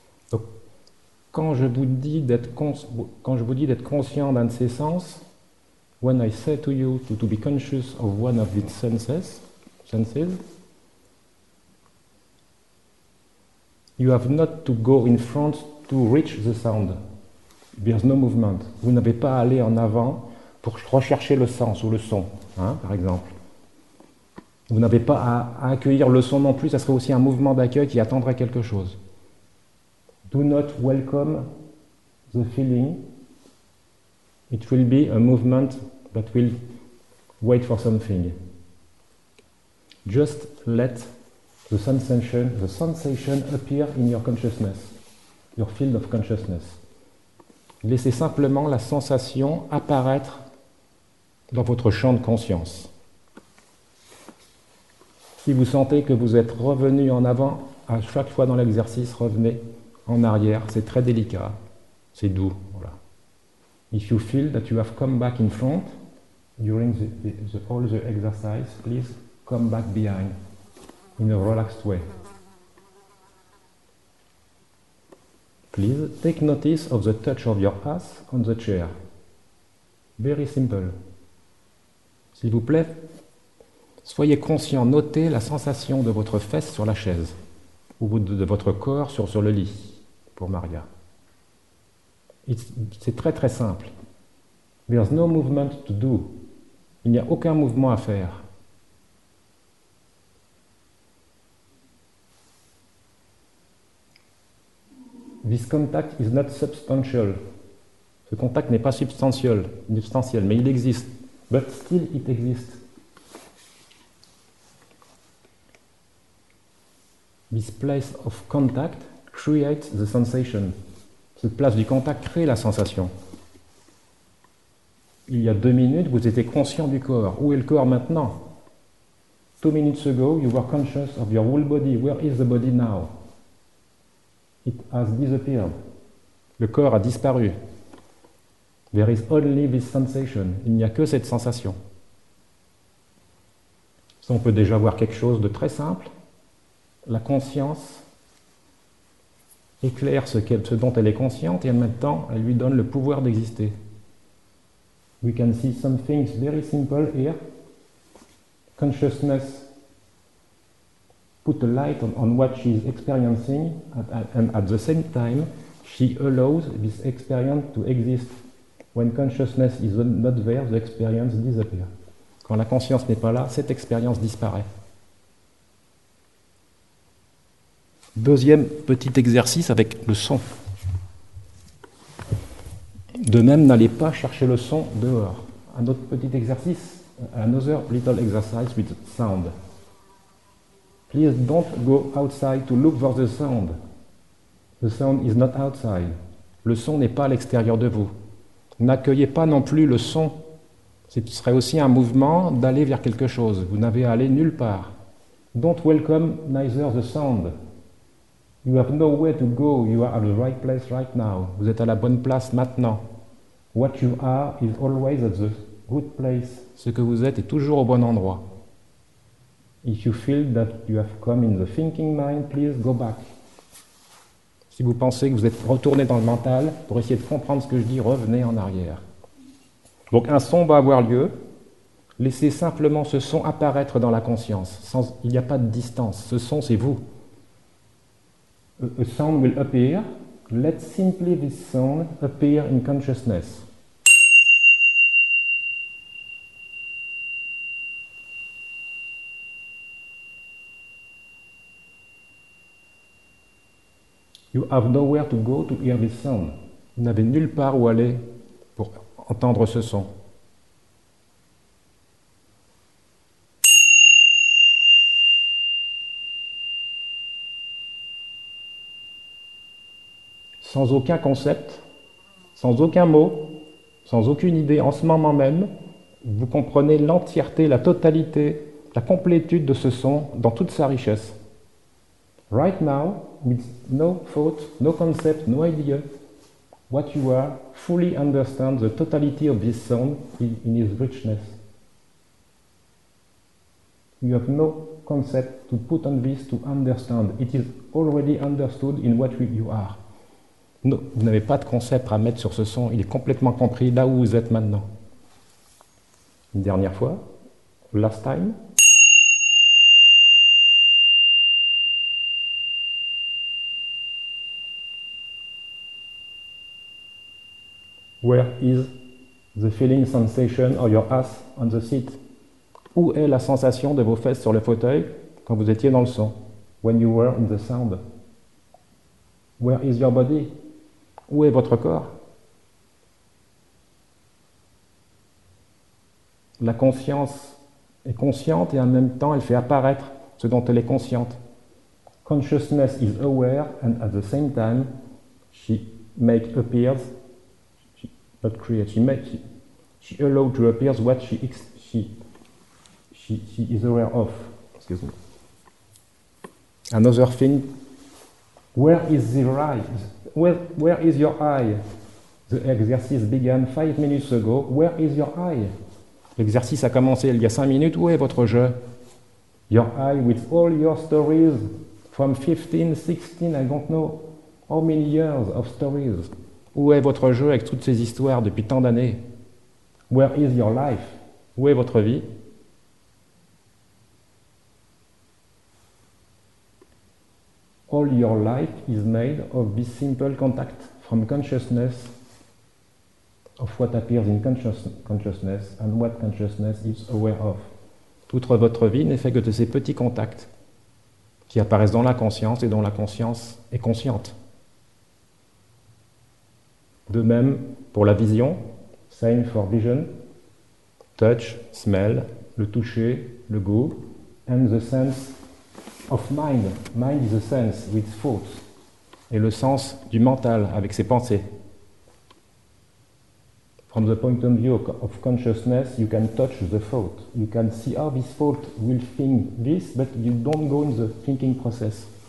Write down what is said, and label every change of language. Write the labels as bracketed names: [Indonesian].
[French] Donc, quand je vous dis d'être conscient d'un de ces sens, [English] when I say to you to be conscious of one of its senses, you have not to go in front to reach the sound. There's no movement. [French] Vous n'avez pas à aller en avant pour rechercher le sens ou le son, hein, par exemple. Vous n'avez pas à accueillir le son non plus, ça serait aussi un mouvement d'accueil qui attendrait quelque chose. [English] Do not welcome the feeling. It will be a movement that will wait for something. Just let the sensation appear in your consciousness, your field of consciousness. [French] Laissez simplement la sensation apparaître dans votre champ de conscience. Si vous sentez que vous êtes revenu en avant, à chaque fois dans l'exercice, revenez en arrière. C'est très délicat, c'est doux. Voilà. [English] If you feel that you have come back in front during all the exercise, please come back behind in a relaxed way. Please take notice of the touch of your ass on the chair. Very simple. [French] S'il vous plaît, soyez conscient, notez la sensation de votre fesse sur la chaise ou de votre corps sur le lit pour Maria. C'est très très simple. [English] There's no movement to do. [French] Il n'y a aucun mouvement à faire. [English] This contact is not substantial. [French] Ce contact n'est pas substantiel, mais il existe. [English] But still it exists. This place of contact creates the sensation. [French] Cette place du contact crée la sensation. Il y a 2 minutes, vous étiez conscient du corps. Où est le corps maintenant? [English] 2 minutes ago, you were conscious of your whole body. Where is the body now? It has disappeared. [French] Le corps a disparu. [English] There is only this sensation. [French] Il n'y a que cette sensation. Ça, on peut déjà voir quelque chose de très simple. La conscience éclaire ce dont elle est consciente et en même temps, elle lui donne le pouvoir d'exister. [English] We can see something very simple here. Consciousness put a light on what she is experiencing and at the same time, she allows this experience to exist. When consciousness is not there, the experience disappears. [French] Quand la conscience n'est pas là, cette expérience disparaît. Deuxième petit exercice avec le son. De même, n'allez pas chercher le son dehors. Un autre petit exercice, [English] another little exercise with sound. Please don't go outside to look for the sound. The sound is not outside. [French] Le son n'est pas à l'extérieur de vous. N'accueillez pas non plus le son. Ce serait aussi un mouvement d'aller vers quelque chose. Vous n'avez à aller nulle part. [English] Don't welcome neither the sound. You have no way to go. You are at the right place right now. [French] Vous êtes à la bonne place maintenant. [English] What you are is always at the good place. [French] Ce que vous êtes est toujours au bon endroit. [English] If you feel that you have come in the thinking mind, please go back. [French] Si vous pensez que vous êtes retourné dans le mental, pour essayer de comprendre ce que je dis, revenez en arrière. Donc un son va avoir lieu. Laissez simplement ce son apparaître dans la conscience. Il n'y a pas de distance. Ce son, c'est vous. [English] A sound will appear. Let simply this sound appear in consciousness. You have nowhere to go to hear this sound. [French] Vous n'avez nulle part où aller pour entendre ce son. Sans aucun concept, sans aucun mot, sans aucune idée, en ce moment même, vous comprenez l'entièreté, la totalité, la complétude de ce son dans toute sa richesse. [English] Right now, with no thought, no concept, no idea, what you are, fully understand the totality of this sound in its richness. You have no concept to put on this to understand. It is already understood in what you are. [French] No, vous n'avez pas de concept à mettre sur ce son. Il est complètement compris là où vous êtes maintenant. Une dernière fois. [English] Last time. Where is the feeling sensation of your ass on the seat? [French] Où est la sensation de vos fesses sur le fauteuil quand vous étiez dans le son? [English] When you were in the sound. Where is your body? [French] Où est votre corps? La conscience est consciente et en même temps elle fait apparaître ce dont elle est consciente. [English] Consciousness is aware and at the same time she makes appears. Not create, she makes, she allows to appear what she is aware of. Excuse me. Another thing, where is the eye? Where is your eye? The exercise began 5 minutes ago. Where is your eye? [French] L'exercice a commencé il y a 5 minutes. Où est votre jeu? [English] Your eye with all your stories from 15, 16, I don't know how many years of stories. [French] Où est votre jeu avec toutes ces histoires depuis tant d'années? [English] Where is your life? [French] Où est votre vie? [English] All your life is made of this simple contact from consciousness, of what appears in consciousness and what consciousness is aware of. [French] Toute votre vie n'est faite que de ces petits contacts qui apparaissent dans la conscience et dont la conscience est consciente. De même pour la vision, [English] same for vision, touch, smell, [French] le toucher, le goût, [English] and the sense of mind. Mind is a sense with thoughts. [French] Et le sens du mental avec ses pensées. [English] From the point of view of consciousness, you can touch the thought. You can see how this thought will think this, but you don't go in the thinking process.